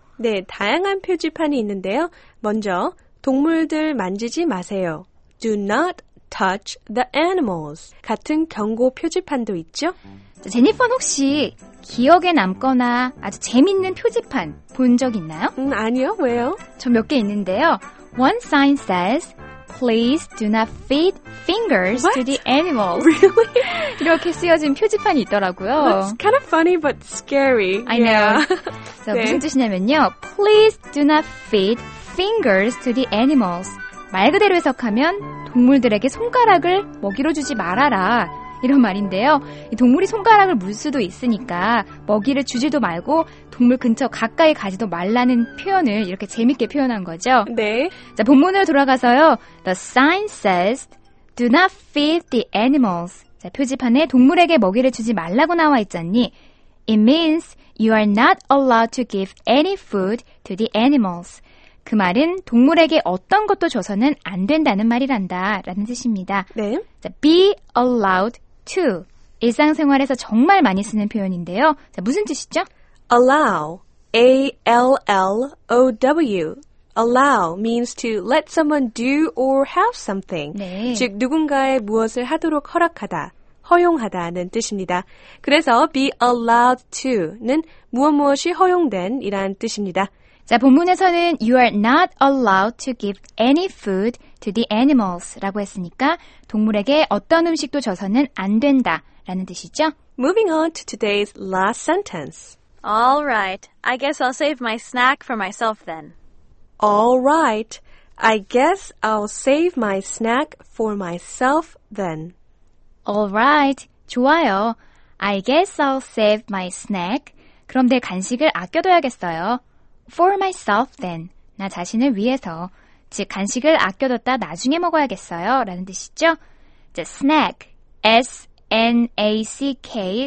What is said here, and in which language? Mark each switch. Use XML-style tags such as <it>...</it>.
<ko>네, 다양한 표지판이 있는데요. 먼저, 동물들 만지지 마세요.</ko> <en>Do not touch the animals.</en> <ko>같은 경고 표지판도 있죠? 자, 제니퍼는 혹시 기억에 남거나 아주 재밌는 표지판 본 적 있나요? 아니요. 왜요? 저 몇 개 있는데요.</ko> <en>One sign says, please do not feed fingers What? to the animals. Really?</en> <ko>이렇게 쓰여진 표지판이 있더라고요.</ko> <en>That's kind of funny but scary. I yeah. know.</en> <ko>So 네. 무슨 뜻이냐면요.</ko> <en>Please do not feed fingers to the animals.</en> <ko>말 그대로 해석하면 동물들에게 손가락을 먹이로 주지 말아라. 이런 말인데요. 동물이 손가락을 물 수도 있으니까 먹이를 주지도 말고 동물 근처 가까이 가지도 말라는 표현을 이렇게 재밌게 표현한 거죠. 네. 자, 본문으로 돌아가서요.</ko> <en>The sign says, do not feed the animals.</en> <ko>자, 표지판에 동물에게 먹이를 주지 말라고 나와 있잖니.</ko> <en>It means you are not allowed to give any food to the animals.</en> <ko>그 말은 동물에게 어떤 것도 줘서는 안 된다는 말이란다 라는 뜻입니다. 네. 자,</ko> <en>be allowed to.</en> <ko>일상생활에서 정말 많이 쓰는 표현인데요. 자, 무슨 뜻이죠?</ko> <en>Allow. A-L-L-O-W. Allow means to let someone do or have something.</en> <ko>네. 즉, 누군가의 무엇을 하도록 허락하다, 허용하다는 뜻입니다. 그래서</ko> <en>be allowed to</en> <ko>는 무엇무엇이 허용된 이라는 뜻입니다. 자, 본문에서는</ko> <en>you are not allowed to give any food to the animals</en> <ko>라고 했으니까 동물에게 어떤 음식도 줘서는 안 된다 라는 뜻이죠?</ko> <en>Moving on to today's last sentence. All right. I guess I'll save my snack for myself then. All right. I guess I'll save my snack for myself then. All right.</en> <ko>좋아요.</ko> <en>I guess I'll save my snack.</en> <ko>그럼 내 간식을 아껴둬야겠어요.</ko> <en>For myself then.</en> <ko>나 자신을 위해서. 즉, 간식을 아껴뒀다 나중에 먹어야겠어요. 라는 뜻이죠. 자, snack. S-N-A-C-K.</ko>